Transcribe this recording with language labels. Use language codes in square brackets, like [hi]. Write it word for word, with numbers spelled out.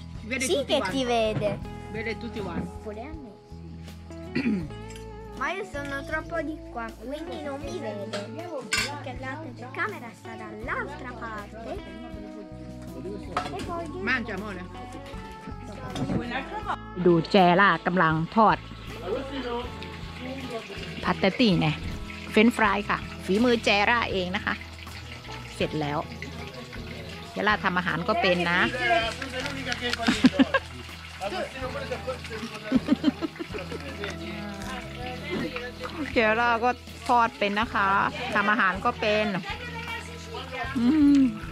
[it] vede Sì tutti che quanti ti vede. vede tutti quanti Pure a me. Ma io sono troppo di qua, quindi non mi vede. Perché la telecamera sta dall'altra parte. E poi io- mangia amore Quell'altra volta. [th] ดูแจล่ากำลังทอดพัตเตอร์ตี้เนี่ยเฟรนช์ฟรายค่ะ ฝีมือแจล่าเองนะคะ เสร็จแล้ว แจล่าทำอาหารก็เป็นนะ [it] Eh, tu sei l'unica che hai fallito. Agostino, guarda, questo è il modello. [th] เจล่าก็ทอดเป็นนะคะทำอาหารก็เป็นอืม